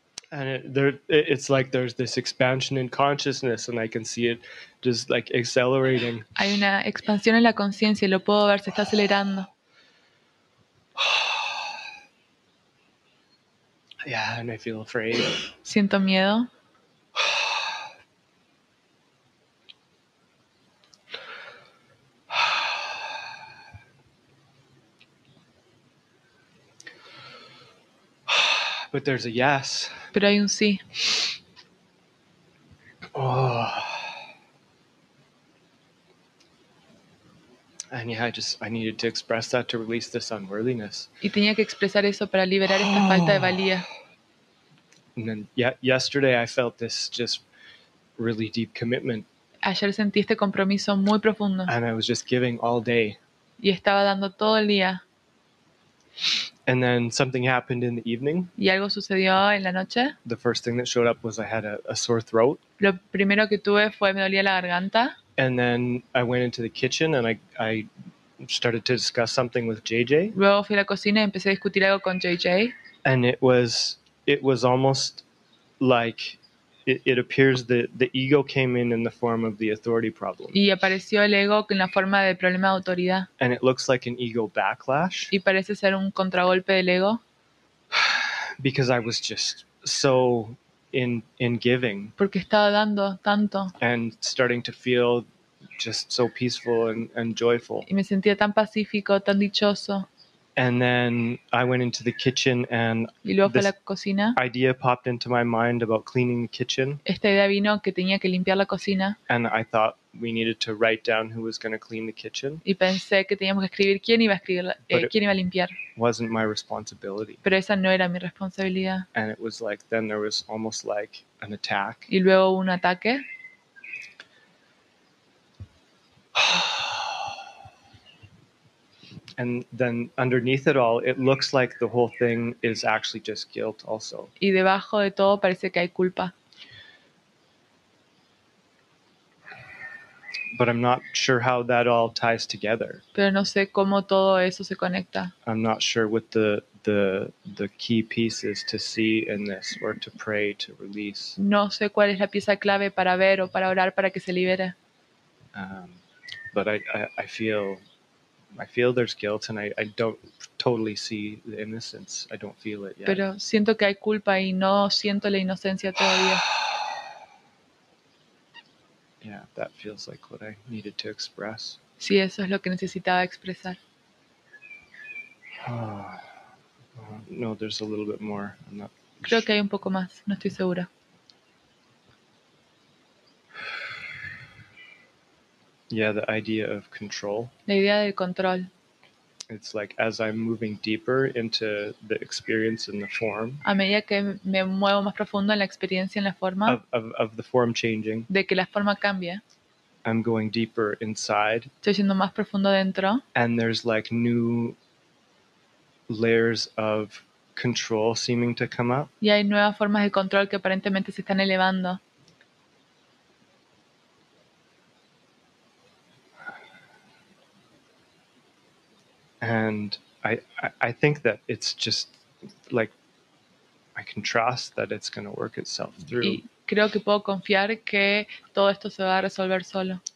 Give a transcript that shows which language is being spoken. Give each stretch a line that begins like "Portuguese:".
English: And it's like there's this expansion in consciousness, and I can see it just like accelerating.
Spanish: Hay una expansión en la conciencia y lo puedo ver, se está acelerando.
English: Yeah, and I feel afraid.
Spanish: Siento miedo.
English: But there's a yes.
Spanish: Pero hay un sí.
English: And yeah, I needed to express that to release this unworthiness.
Spanish: Y tenía que expresar eso para liberar esta falta de valía.
English: And then yesterday I felt this just really deep commitment.
Spanish: Ayer sentí este compromiso muy profundo.
English: And I was just giving all day.
Spanish: Y estaba dando todo el día.
English: And then something happened in the evening.
Spanish: ¿Y algo sucedió en la noche?
English: The first thing that showed up was I had a sore throat.
Spanish: Lo primero que tuve fue me dolía la garganta.
English: And then I went into the kitchen and I started to discuss something with JJ.
Spanish: Luego fui a la cocina y empecé a discutir algo con JJ.
English: And it was almost like it appears that the ego came in the form of the authority problem.
Spanish: Y apareció el ego en la forma del problema de autoridad.
English: And it looks like an ego backlash.
Spanish: Y parece ser un contragolpe del ego.
English: Because I was just so in giving.
Spanish: Porque estaba dando tanto.
English: And starting to feel just so peaceful and joyful.
Spanish: Y me sentía tan pacífico, tan dichoso.
English: And then I went into the kitchen and
Spanish: y luego fue a la cocina.
English: Idea popped into my mind about cleaning the kitchen.
Spanish: Esta idea vino que tenía que limpiar la cocina.
English: And I thought we needed to write down who was going to clean the kitchen.
Spanish: Y pensé que teníamos que escribir quién iba a escribir, quién iba a limpiar.
English: Wasn't my responsibility.
Spanish: Pero esa no era mi responsabilidad.
English: And it was like then there was almost like an attack.
Spanish: Y luego un ataque.
English: And then underneath it all, it looks like the whole thing is actually just guilt also.
Spanish: Y debajo de todo parece que hay culpa.
English: But I'm not sure how that all ties together.
Spanish: Pero no sé cómo todo eso se conecta.
English: I'm not sure what the key piece is to see in this or to pray to release.
Spanish: No sé cuál es la pieza clave para ver o para orar para que se libere.
English: But I feel there's guilt and I don't totally see the innocence. I don't feel it yet.
Spanish: Pero siento que hay culpa y no siento la inocencia todavía.
English: Yeah, that feels like what I needed to express.
Spanish: Sí, eso es lo que necesitaba expresar.
English: No, there's a little bit more.
Spanish: Creo que hay un poco más, no estoy segura.
English: Yeah, the idea of control.
Spanish: La idea del control.
English: It's like as I'm moving deeper into the experience and the form.
Spanish: A medida que me muevo más profundo en la experiencia y en la forma.
English: Of the form changing.
Spanish: De que la forma cambia.
English: I'm going deeper inside.
Spanish: Estoy yendo más profundo dentro.
English: And there's like new layers of control seeming to come up.
Spanish: Y hay nuevas formas de control que aparentemente se están elevando.
English: I think that it's just like I can trust that it's going to work itself through.
Spanish: Creo que puedo confiar que todo esto se va a resolver solo.